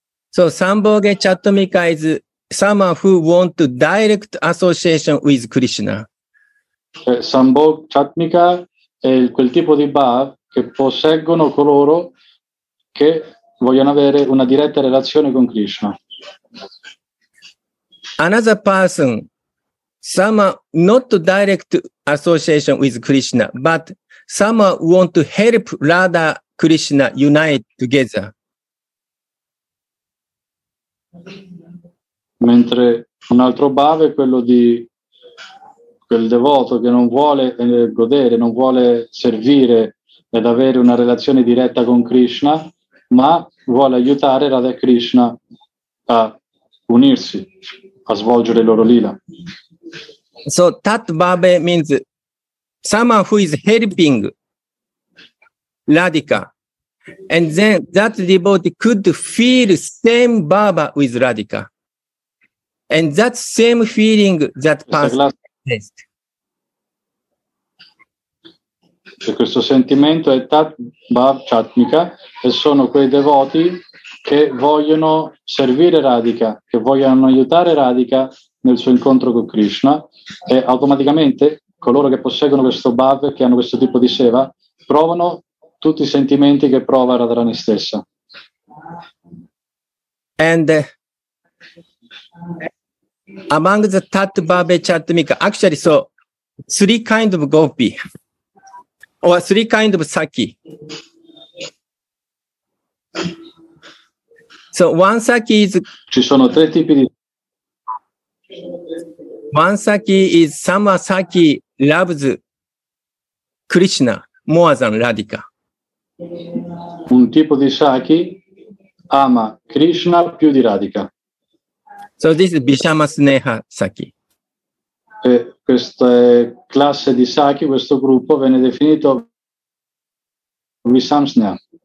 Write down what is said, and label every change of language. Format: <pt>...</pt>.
<en>So Samboge Chattamika is someone who wants direct association with Krishna.</en> <it>Samboge Chattamika è quel tipo di bhav che posseggono coloro che vogliono avere una diretta relazione con Krishna.</it> <en>Another person, someone not direct association with Krishna, but someone want to help Radha Krishna unite together.</en> <it>Mentre un altro bhava è quello di quel devoto che non vuole godere, non vuole servire ed avere una relazione diretta con Krishna, ma vuole aiutare Radha Krishna a unirsi, a svolgere il loro lila.</it> <en>So Tatbabe means someone who is helping Radhika. And then that devotee could feel same Baba with Radhika. And that same feeling that passes.</en> <it>Cioè, questo sentimento è Tat Bhav Chatmika e sono quei devoti che vogliono servire Radhika, che vogliono aiutare Radhika nel suo incontro con Krishna, e automaticamente coloro che posseggono questo Bhav, che hanno questo tipo di seva, provano tutti i sentimenti che prova Radharani stessa.</it> <en>And among the Tat Bhav Chatmika, actually so three kind of gopi or three kind of sakhi. So one sakhi is...</en> <it>Ci sono tre tipi di...</it> <en>One sakhi is some sakhi loves Krishna more than Radhika.</en> <it>Un tipo di sakhi ama Krishna più di Radhika.</it> <en>So this is Bishama Sneha sakhi.</en> <it>Questa classe di sakhi, questo gruppo, viene definito Visamsneha.</it>